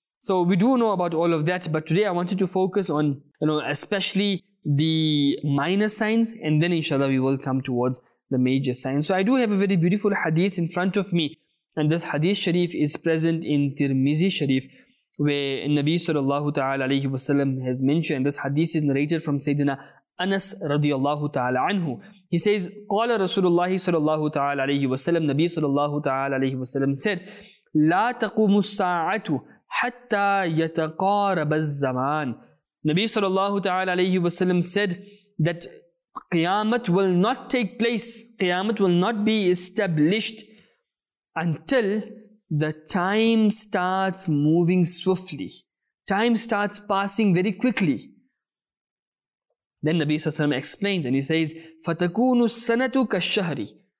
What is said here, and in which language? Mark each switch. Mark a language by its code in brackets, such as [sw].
[en] So we do know about all of that. But today I wanted to focus on, you know, especially the minor signs, and then inshallah we will come towards the major signs. So I do have a very beautiful hadith in front of me, and this hadith sharif is present in Tirmizi sharif, where Nabi sallallahu ta'ala alayhi wa sallam has mentioned, this hadith is narrated from Sayyidina Anas radiyallahu ta'ala anhu. He says, [ar] قال رسول الله صلى الله عليه وسلم, Nabi صلى الله عليه وسلم [en] said, [ar] لا تقوم الساعة حتى يتقارب الزمان. [en] Nabi صلى الله عليه وسلم said that Qiyamah will not take place, Qiyamah will not be established until the time starts moving swiftly. Time starts passing very quickly. Then Nabi Sallallahu Alaihi Wasallam explains and he says, [ar] فَتَكُونُ السَّنَةُ كَالشَّهْرِ.